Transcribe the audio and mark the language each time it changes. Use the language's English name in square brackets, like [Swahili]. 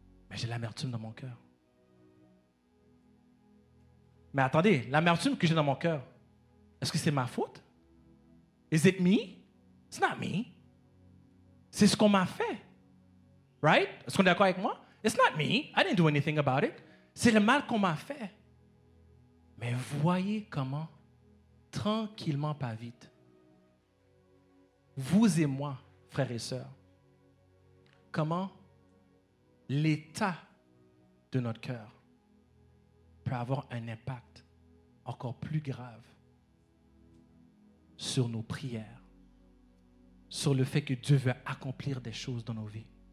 [French] Mais j'ai l'amertume dans mon cœur. Mais attendez, l'amertume que j'ai dans mon cœur, est-ce que c'est ma faute? [English] Is it me? It's not me. C'est ce qu'on m'a fait. Right? [French] Est-ce qu'on est d'accord avec moi? [English] It's not me. I didn't do anything about it. [French] C'est le mal qu'on m'a fait. Mais voyez comment, tranquillement, pas vite, vous et moi, frères et sœurs, comment l'état de notre cœur peut avoir un impact encore plus grave sur nos prières, sur le fait que Dieu veut accomplir des choses dans nos vies.